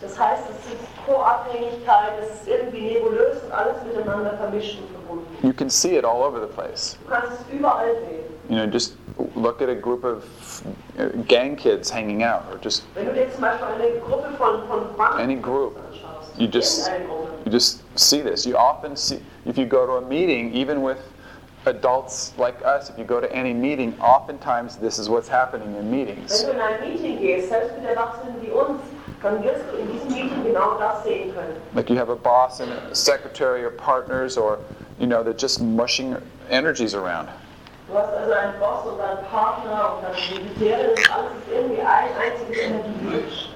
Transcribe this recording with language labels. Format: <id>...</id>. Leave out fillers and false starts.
<de>Das heißt, es ist Co-Abhängigkeit, es ist irgendwie nebulös und alles miteinander vermischt und verbunden.</de> <en>You can see it all over the place.</en> <de>Du kannst es überall sehen.</de> <en>You know, just look at a group of gang kids hanging out, or just</en> <de>wenn du dir zum Beispiel eine Gruppe von</de> <en>any group, you just see this. You often see, if you go to a meeting, even with adults like us, if you go to any meeting, oftentimes this is what's happening in meetings.</en> <de>Wenn du in ein Meeting gehst, selbst mit Erwachsenen wie uns, dann wirst du in diesem Meeting genau das sehen können.</de> <en>Like you have a boss and a secretary or partners, or you know, they're just mushing energies around.</en> <de>Du hast also einen Boss und einen Partner und dann Sekretärin, und alles ist irgendwie ein einziges Energiegemisch.</de>